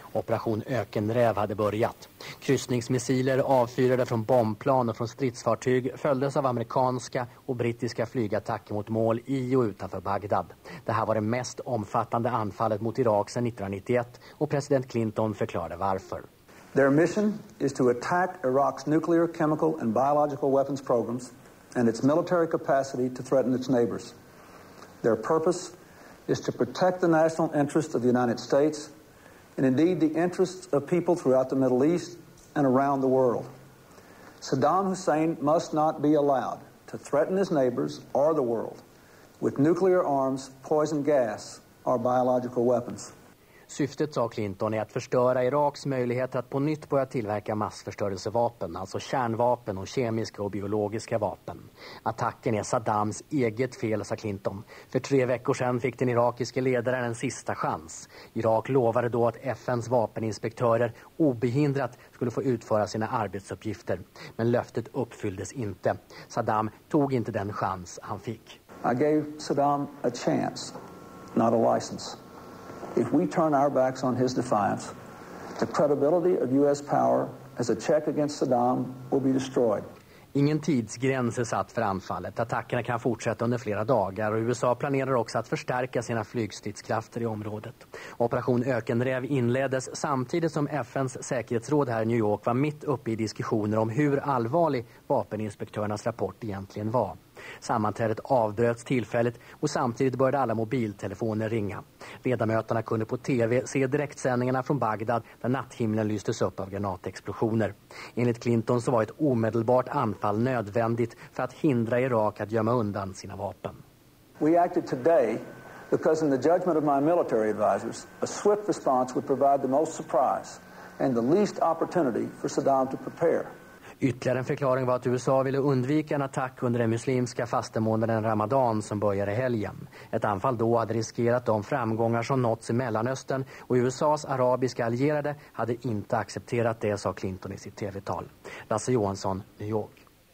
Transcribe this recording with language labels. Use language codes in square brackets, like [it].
[sv] Operation Ökenräv hade börjat. Kryssningsmissiler avfyrade från bombplan och från stridsfartyg följdes av amerikanska och brittiska flygattacker mot mål i och utanför Bagdad. Det här var det mest omfattande anfallet mot Irak sedan 1991 och president Clinton förklarade varför. [en] Their mission is to attack Iraq's nuclear, chemical and biological weapons programs and its military capacity to threaten its neighbors. Their purpose is to protect the national interests of the United States and indeed the interests of people throughout the Middle East and around the world. Saddam Hussein must not be allowed to threaten his neighbors or the world with nuclear arms, poison gas or biological weapons. [sv] Syftet, sa Clinton, är att förstöra Iraks möjligheter att på nytt börja tillverka massförstörelsevapen, alltså kärnvapen och kemiska och biologiska vapen. Attacken är Saddams eget fel, sa Clinton. För 3 veckor sedan fick den irakiske ledaren en sista chans. Irak lovade då att FNs vapeninspektörer obehindrat skulle få utföra sina arbetsuppgifter. Men löftet uppfylldes inte. Saddam tog inte den chans han fick. [en] I gave Saddam a chance, not a license. If we turn our backs on his defiance, the credibility of US power as a check against Saddam will be destroyed. [sv] Ingen tidsgräns är satt för anfallet. Attackerna kan fortsätta under flera dagar och USA planerar också att förstärka sina flygstridskrafter i området. Operation Ökenräv inleddes samtidigt som FNs säkerhetsråd här i New York var mitt uppe i diskussioner om hur allvarlig vapeninspektörernas rapport egentligen var. Sammanträdet avbröts tillfälligt och samtidigt började alla mobiltelefoner ringa. Ledamöterna kunde på tv se direktsändningarna från Bagdad där natthimlen lystes upp av granatexplosioner. Enligt Clinton så var ett omedelbart anfall nödvändigt för att hindra Irak att gömma undan sina vapen. [en] We acted today because in the judgment of my military advisors, a swift response would provide the most surprise and the least opportunity for Saddam to prepare. [sv] Ytterligare en förklaring var att USA ville undvika en attack under den muslimska fastemånaden Ramadan som började helgen. Ett anfall då hade riskerat de framgångar som nåtts i Mellanöstern och USAs arabiska allierade hade inte accepterat det, sa Clinton i sitt tv-tal. Lasse Johansson, New York.